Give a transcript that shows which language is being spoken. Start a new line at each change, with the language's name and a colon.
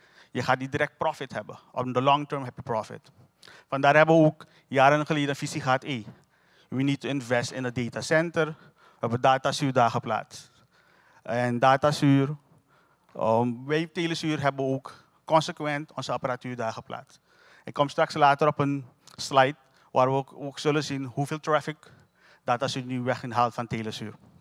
Dutch: Je gaat niet direct profit hebben. Op de long term heb je profit. Vandaar hebben we ook jaren geleden een visie gehad.
English: We need to invest in a data center.
Dutch: We hebben Datasur daar geplaatst. En Datasur, wij Telesur hebben ook consequent onze apparatuur daar geplaatst. Ik kom straks later op een slide waar we ook zullen zien hoeveel traffic Datasur nu weg inhaalt van Telesur.